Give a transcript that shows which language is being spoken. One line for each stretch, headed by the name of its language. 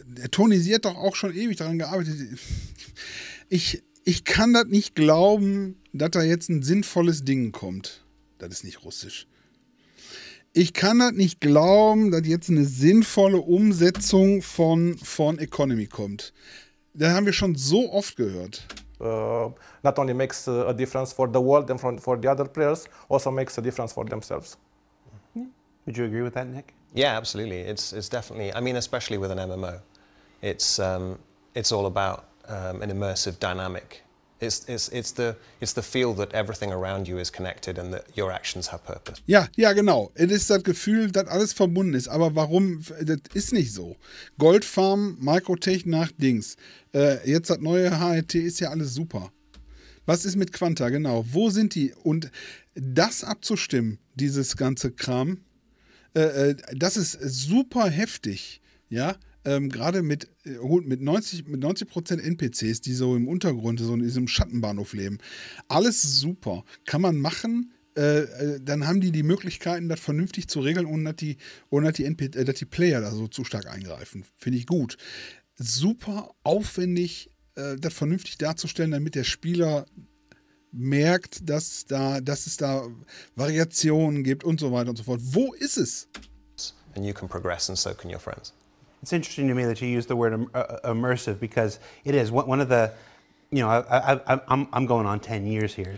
German: Tony, sie hat doch auch schon ewig daran gearbeitet. Ich kann das nicht glauben, dass da jetzt ein sinnvolles Ding kommt. Das ist nicht Russisch. Ich kann das nicht glauben, dass jetzt eine sinnvolle Umsetzung von Economy kommt. Das haben wir schon so oft gehört.
English: Not only makes a difference for the world and for the other players, also makes a difference for themselves. Would you agree with that, Nick? Yeah, absolutely. It's definitely, especially with an MMO. It's all about an immersive dynamic. It's the feel that everything around you is connected and that your actions have purpose.
German: Ja, genau. Es ist das Gefühl, dass alles verbunden ist. Aber warum? Das ist nicht so. Goldfarm, Microtech nach Dings. Jetzt das neue HET ist ja alles super. Was ist mit Quanta? Genau. Wo sind die? Und das abzustimmen, dieses ganze Kram, das ist super heftig. Ja. Gerade mit 90% NPCs, die so im Untergrund, so in diesem Schattenbahnhof leben. Alles super. Kann man machen, dann haben die Möglichkeiten, das vernünftig zu regeln, dass die Player da so zu stark eingreifen. Finde ich gut. Super aufwendig, das vernünftig darzustellen, damit der Spieler merkt, dass es da Variationen gibt und so weiter und so fort. Wo ist es?
English: And you can progress and so can your friends. It's interesting to me that you use the word immersive, because it is one of the, you know, I'm going on 10 years here.